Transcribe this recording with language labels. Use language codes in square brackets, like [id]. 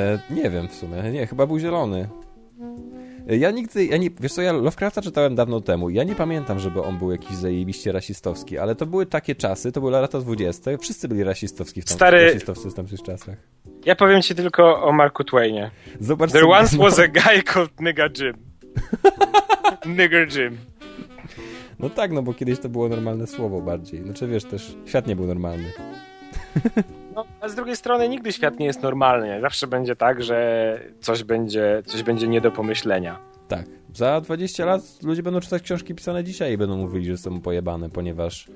[pl] Nie wiem w sumie. Nie, chyba był zielony. Ja Lovecrafta czytałem dawno temu. Ja nie pamiętam, żeby on był jakiś zajebiście rasistowski, ale to były takie czasy, to były lata 20. Wszyscy byli rasistowscy w tamtych czasach. Ja powiem ci tylko o Marku Twainie. Zobacz, [en] there once was a guy called Nigga Jim. Nigger Jim. [pl] No tak, no bo kiedyś to było normalne słowo bardziej. Znaczy wiesz, też świat nie był normalny. No, a z drugiej strony nigdy świat nie jest normalny. Zawsze będzie tak, że coś będzie nie do pomyślenia. Tak. Za 20 lat ludzie będą czytać książki pisane dzisiaj i będą mówili, że są pojebane, ponieważ...